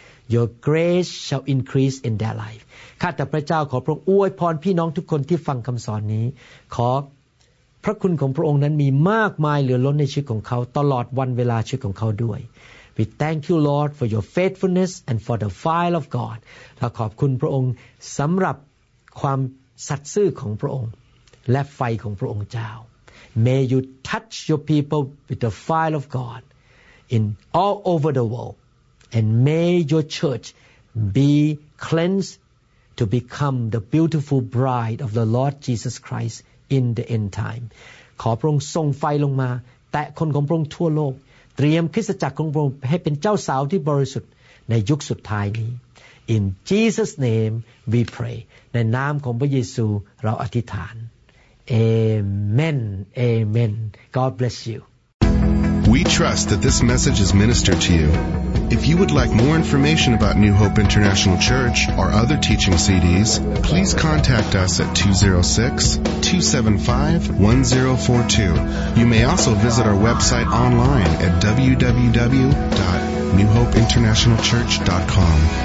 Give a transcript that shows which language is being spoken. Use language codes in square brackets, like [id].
[en] Your grace shall increase in their life. [th] ข้าแต่พระเจ้าขอพระองค์อวยพรพี่น้องทุกคนที่ฟังคำสอนนี้ขอพระคุณของพระองค์นั้นมีมากมายเหลือล้นในชีวิตของเขาตลอดวันเวลาชีวิตของเขาด้วย [en] We thank you Lord for your faithfulness and for the fire of God. [th] เราขอบคุณพระองค์สำหรับความสัตย์ซื่อของพระองค์และไฟของพระองค์เจ้า [en] May you touch your people with the fire of God in all over the world. And may your church be cleansed to become the beautiful bride of the Lord Jesus Christ in the end time. [th] ขอพระองค์ส่งไฟลงมาแตะคนของพระองค์ทั่วโลกเตรียมคริสตจักรของพระองค์ให้เป็นเจ้าสาวที่บริสุทธิ์ในยุคสุดท้ายนี้ [en] In Jesus name we pray. [th] ในนามของพระเยซูเราอธิษฐาน Amen. [en] Amen. God bless you. We trust that this message is ministered to you. If you would like more information about New Hope International Church or other teaching CDs, please contact us at 206-275-1042. You may also visit our website online at www.newhopeinternationalchurch.com.